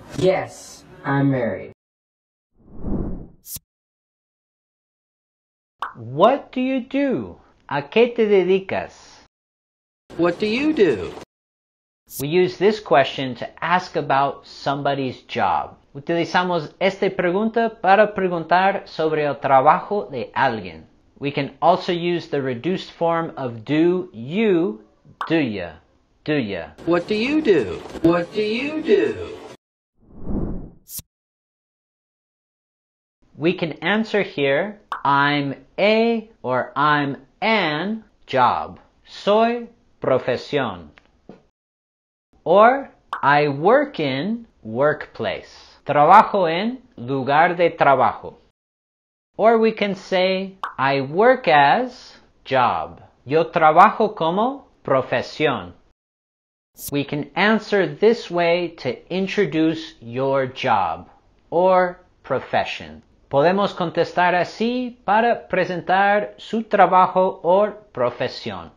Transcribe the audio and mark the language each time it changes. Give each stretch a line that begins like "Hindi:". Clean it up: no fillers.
English: Yes, I'm married. What do you do?
Spanish: ¿A qué te dedicas?
English: What do you do? We use this question to ask about somebody's job.
Spanish: Utilizamos esta pregunta para preguntar sobre el trabajo de alguien.
English: We can also use the reduced form of do you, do ya, do ya. What do you do? What do you do? We can answer here, I'm a or I'm an job.
Spanish: Soy profesión.
English: Or, I work in workplace.
Spanish: Trabajo en lugar de trabajo.
English: Or we can say, I work as job.
Spanish: Yo trabajo como profesión.
English: We can answer this way to introduce your job or profession.
Spanish: Podemos contestar así para presentar su trabajo o profesión.